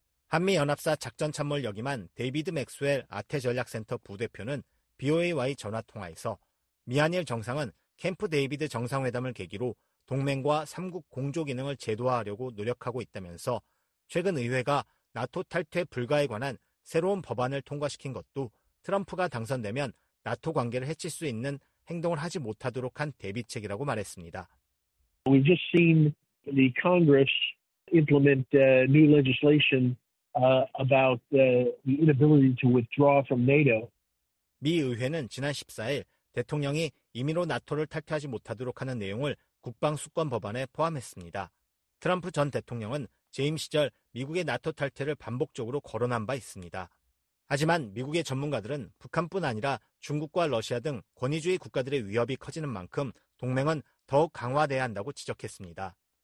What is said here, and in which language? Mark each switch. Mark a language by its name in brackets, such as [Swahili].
[Korean] 한미연합사 작전참모를 역임한 데이비드 맥스웰 아태전략센터 부대표는 BOA와의 전화통화에서 미하닐 정상은 캠프 데이비드 정상회담을 계기로 동맹과 3국 공조 기능을 제도화하려고 노력하고 있다면서 최근 의회가 나토 탈퇴 불가에 관한 새로운 법안을 통과시킨 것도 트럼프가 당선되면 나토 관계를 해칠 수 있는 행동을 하지 못하도록 한 대비책이라고 말했습니다. [English] We've just seen the Congress implement new legislation about the inability to withdraw from NATO. [Korean] 미 의회는 지난 14일 대통령이 임의로 나토를 탈퇴하지 못하도록 하는 내용을 국방수권 법안에 포함했습니다. 트럼프 전 대통령은 재임 시절 미국의 나토 탈퇴를 반복적으로 거론한 바 있습니다. 하지만 미국의 전문가들은 북한뿐 아니라 중국과 러시아 등 권위주의 국가들의 위협이 커지는 만큼 동맹은 더욱 강화돼야 한다고 지적했습니다.